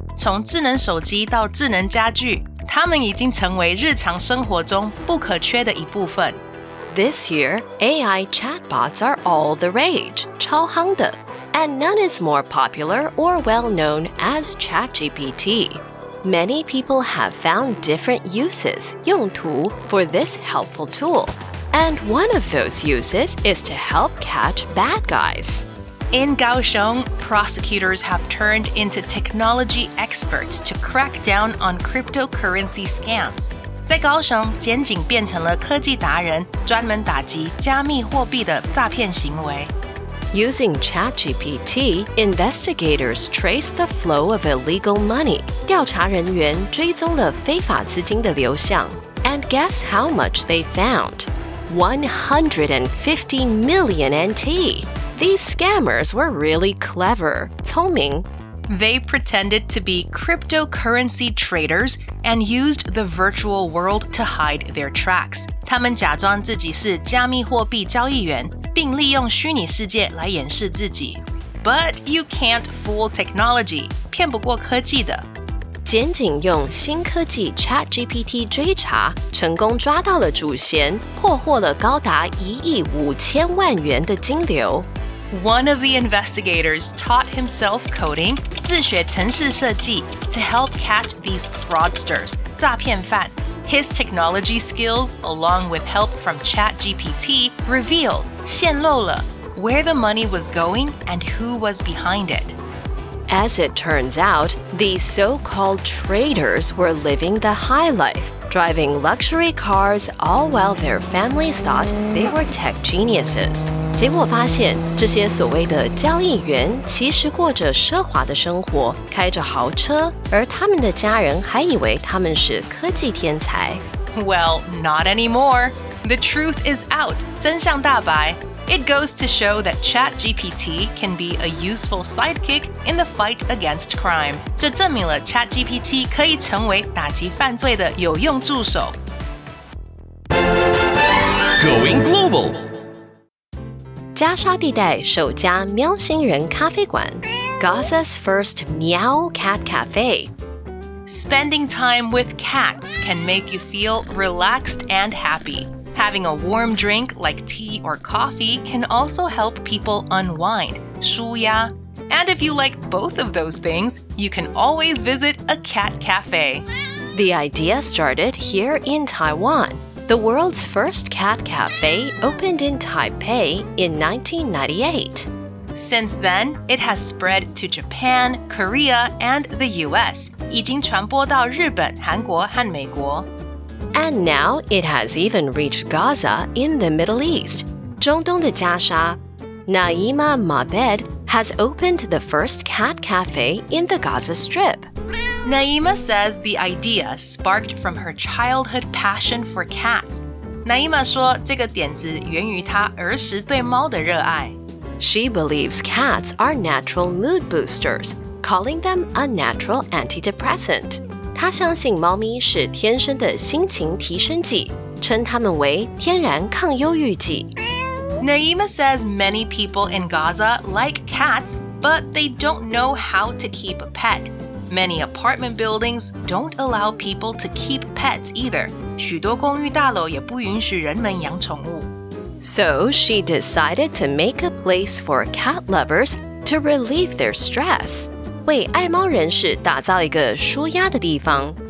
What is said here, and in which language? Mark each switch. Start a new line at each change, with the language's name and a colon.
Chinese: 从智能手机到智能家居，它们已经成为日常生活中不可缺的一部分。
English: This year, AI chatbots are all the rage,
Chinese: 超夯的。
English: And none is more popular or well-known as ChatGPT. Many people have found different uses,
Chinese: 用途,
English: for this helpful tool. And one of those uses is to help catch bad guys. In Kaohsiung, prosecutors have turned into technology experts to crack down on cryptocurrency scams.
Chinese: 在高雄，檢警變成了科技達人，專門打擊加密貨幣的詐騙行為。
English: Using ChatGPT, investigators trace the flow of illegal money.
Chinese: 调查人员追踪了非法资金的流向。
English: And guess how much they found? 150 million NT! These scammers were really clever.
Chinese: 聪明。
English: They pretended to be cryptocurrency traders and used the virtual world to hide their tracks.
Chinese: 他们假装自己是加密货币交易员。并利用虚拟世界来掩饰自己。
English: But you can't fool technology,
Chinese: 骗不过科技的。检警用新科技 ChatGPT 追查，成功抓到了主嫌，破获了高达一亿五千万元的金流。
English: One of the investigators taught himself coding,
Chinese: 自学程式设计
English: to help catch these fraudsters,
Chinese: 诈骗犯。
English: His technology skills, along with help from ChatGPT, revealed,
Chinese: 泄露了,
English: where the money was going and who was behind it. As it turns out, these so-called traders were living the high life, driving luxury cars all while their families thought they were tech geniuses.
Chinese: 结果发现,这些所谓的交易员其实过着奢华的生活,开着豪车,而他们的家人还以为他们是科技天才。
English: Well, not anymore. The truth is out,
Chinese: 真相大白。
English: It goes to show that ChatGPT can be a useful sidekick in the fight against crime.
Chinese: 这证明了 ChatGPT 可以成为打击犯罪的有用助手。
English: Going global.
Chinese: 加沙地带首家喵星人咖啡馆
English: Gaza's first MEOW Cat Caf. Spending time with cats can make you feel relaxed and happy. Having a warm drink like tea or coffee can also help people unwind,
Chinese: 舒压.
English: And if you like both of those things, you can always visit a cat cafe. The idea started here in Taiwan. The world's first cat cafe opened in Taipei in 1998. Since then, it has spread to Japan, Korea, and the US.
Chinese: 已经传播到日本、韩国和美国。
English: And now, it has even reached Gaza in the Middle East.
Chinese: 中东的加沙
English: Naeema Maabed has opened the first cat cafe in the Gaza Strip. Naeema says the idea sparked from her childhood passion for cats.
Chinese: Naeema 说这个点子源于她儿时对猫的热爱。
English: She believes cats are natural mood boosters, calling them a natural antidepressant.
Chinese: 她相信猫咪是天生的心情提升剂，称它们为天然抗忧郁剂。
English: Naeema says many people in Gaza like cats, but they don't know how to keep a pet. Many apartment buildings don't allow people to keep pets either.
Chinese: 许多公寓大楼也不允许人们养宠物。
English: So she decided to make a place for cat lovers to relieve their stress.
Chinese: 为爱猫人士打造一个舒压的地方。